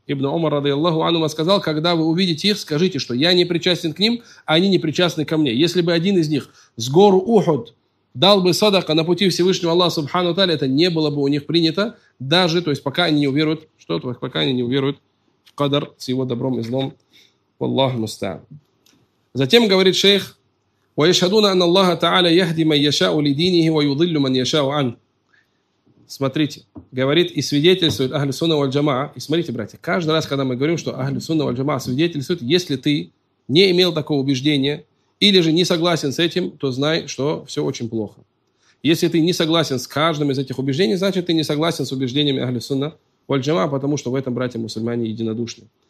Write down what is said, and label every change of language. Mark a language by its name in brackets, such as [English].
[Russian] Ибн Умар, радиаллаху анхума, сказал, когда вы увидите их, скажите, что я не причастен к ним, а они не причастны ко мне. Если бы один из них с гору Ухуд дал бы садака на пути Всевышнего Аллаха, субхану таля, это не было бы у них принято, даже, то есть пока они не уверуют, что это, пока они не уверуют в кадр с его добром и злом. [Arabic] Валлаху мустаан. [Russian] Затем говорит шейх, [Arabic] وَيَشْهَدُونَ أَنَّ اللَّهَ تَعَالَى يَهْدِ مَنْ يَشَاءُ لِدِينِهِ وَيُضِلُّ مَنْ يَشَاءُ عَنْهُ. [Russian] Смотрите, говорит и свидетельствует Ахль Сунна валь Джамаа. И смотрите, братья, каждый раз, когда мы говорим, что Ахль Сунна валь Джамаа свидетельствует, если ты не имел такого убеждения или же не согласен с этим, то знай, что все очень плохо. Если ты не согласен с каждым из этих убеждений, значит, ты не согласен с убеждениями Ахль Сунна валь Джамаа, потому что в этом, братья, мусульмане единодушны.